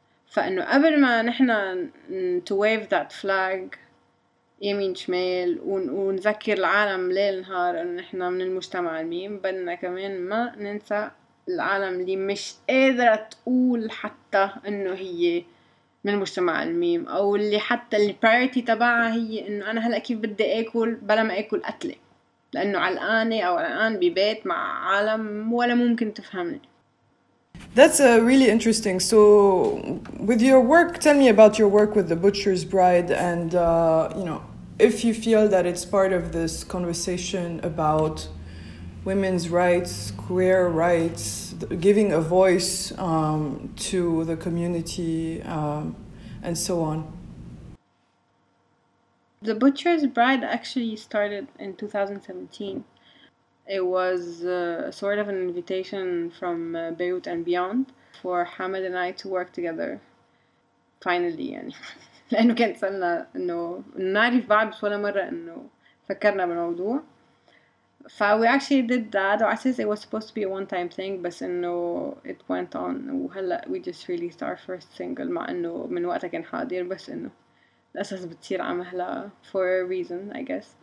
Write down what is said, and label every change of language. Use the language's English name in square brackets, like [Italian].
[Arabic] فانه قبل ما نحن [English] to wave that flag [Arabic] يمين شمال ونذكر العالم ليل نهار انه نحن من المجتمع الميم، بدنا كمان ما ننسى العالم اللي مش قادرة تقول حتى انه هي من المجتمع الميم، او اللي حتى البرايورتي تبعها هي انه انا هلأ كيف بدي اكل بلا ما اكل قتلة، لانه علقانة او علقان ببيت مع عالم ولا ممكن تفهمني. [English] That's really interesting. So with your work, tell me about your work with The Butcher's Bride and you know, if you feel that it's part of this conversation about women's rights, queer rights, giving a voice to the community, and so on. The Butcher's Bride actually started in 2017. It was sort of an invitation from Beirut and beyond for Hamed and I to work together, finally. [Arabic] لأنه كانت سألنا أنه نعرف بعض ولا مرة أنه فكرنا بالموضوع. [English] So we actually did that. I said it was supposed to be a one-time thing, but no, it went on. We just released our first single. [Arabic] مع إنه من وقتها كان حاضر بس إنه الأساس بتصير عم هلا [English] for a reason, I guess.